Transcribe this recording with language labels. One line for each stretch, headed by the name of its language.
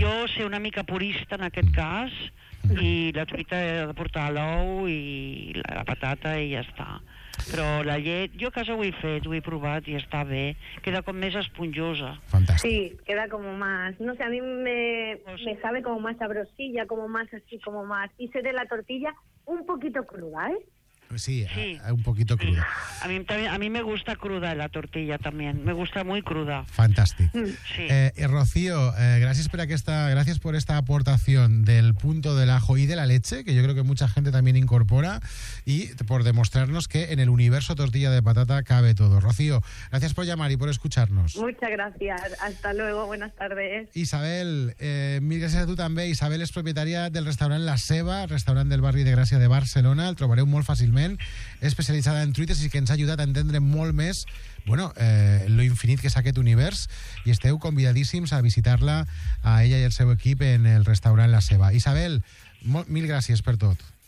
Catalan: Jo ser una mica purista en aquest cas, i la truita he de portar l'ou i la patata i ja està. Però la llet, jo a casa ho he fet, ho he provat i està bé. Queda com més esponjosa. Fantàstic. Sí, queda com més... No sé, a mi me sabe com més sabrosilla, com més així, com més...
Spanish: I se de la tortilla un poquito cruda, eh? Sí, sí, un poquito cruda. A mí me gusta cruda la tortilla también. Me gusta muy cruda. Fantástico. Sí. Rocío, gracias por esta aportación del punto del ajo y de la leche, que yo creo que mucha gente también incorpora, y por demostrarnos que en el universo tortilla de patata cabe todo. Rocío, gracias por llamar y por escucharnos. Muchas gracias. Hasta luego. Buenas tardes. Isabel, mil gracias a tú también. Isabel es propietaria del restaurante La Seva, restaurante del barrio de Gràcia de Barcelona.
Catalan: El trobareu molt fàcil, especialitzada en truites i que ens ha ajudat a entendre molt més, bueno, lo infinit que és aquest univers, i esteu convidadíssims a visitar-la, a ella i el seu equip, en el restaurant La Seva. Isabel, mil gràcies per tot.